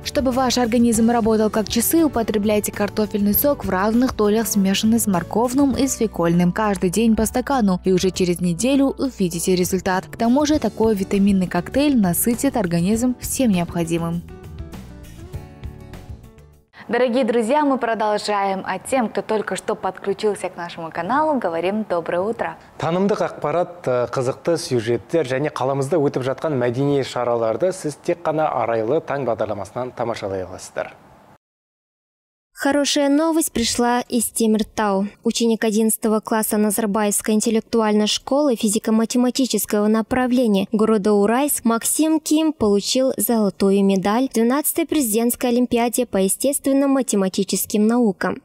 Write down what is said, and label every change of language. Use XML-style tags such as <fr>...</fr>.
<ru>Чтобы ваш организм работал как часы, употребляйте картофельный сок в равных долях, смешанный с морковным и свекольным, каждый день по стакану, и уже через неделю увидите результат. К тому же такой витаминный коктейль насытит организм всем необходимым. Дорогие друзья, мы продолжаем. А тем, кто только что подключился к нашему каналу, говорим доброе утро.</ru> <kk>Танымдық ақпарат, қызықты сюжеттер және қаламызда өтіп жатқан мәдени шараларды сіз тек қана Арайлы таң бағдарламасынан тамашалай аласыздар.</kk> <ru>Хорошая новость пришла из Темиртау. Ученик 11 класса Назарбаевской интеллектуальной школы физико-математического направления города Уральск Максим Ким получил золотую медаль в 12-й президентской олимпиаде по естественно-математическим наукам.</ru>